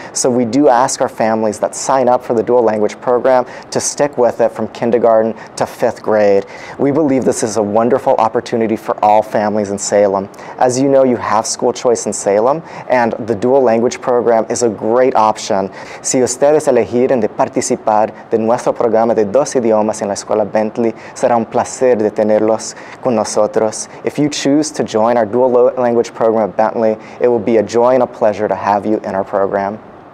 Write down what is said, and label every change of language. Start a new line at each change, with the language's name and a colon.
English: So we do ask our families that sign up for the dual language program to stick with it from kindergarten to fifth grade. We believe this is a wonderful opportunity for all families in Salem. As you know, you have school choice in Salem, and the dual language program is a great option.
Spanish: Si ustedes eligieron de participar de nuestro programa de dos idiomas en la escuela Bentley, será un placer de tenerlos con nosotros.
English: If you choose to join our dual language program at Bentley, it will be a joy and a pleasure to have you in our program.